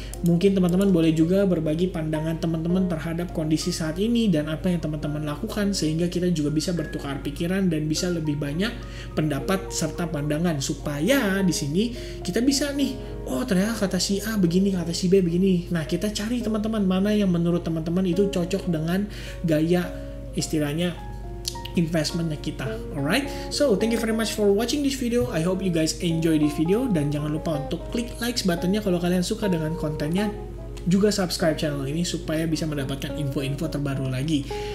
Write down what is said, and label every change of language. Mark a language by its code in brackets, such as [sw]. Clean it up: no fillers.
[id] Mungkin teman-teman boleh juga berbagi pandangan teman-teman terhadap kondisi saat ini dan apa yang teman-teman lakukan, sehingga kita juga bisa bertukar pikiran dan bisa lebih banyak pendapat serta pandangan, supaya di sini kita bisa nih, oh ternyata kata si A begini, kata si B begini. Nah kita cari teman-teman mana yang menurut teman-teman itu cocok dengan gaya istilahnya investmentnya kita. [en] Alright, so thank you very much for watching this video. I hope you guys enjoy this video, [id] dan jangan lupa untuk klik likes buttonnya kalau kalian suka dengan kontennya, juga subscribe channel ini supaya bisa mendapatkan info-info terbaru lagi.